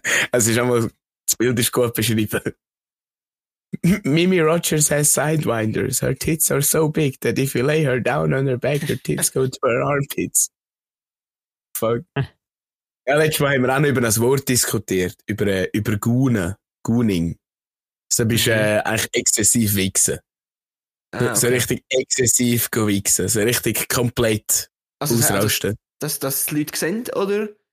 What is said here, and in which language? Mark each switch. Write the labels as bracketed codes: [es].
[de] Also ist einmal, das Bild ist gut beschrieben. [en] Mimi Rogers has sidewinders. Her tits are so big that if you lay her down on her back, her tits go to her armpits. Fuck. [de] Ja, letztes Mal haben wir auch noch über ein Wort diskutiert. Über Gune. Gooning. So bist du eigentlich exzessiv wichsen. Ah, okay. So richtig exzessiv wichsen. So richtig komplett ausrasten. Also, dass die Leute sehen, oder?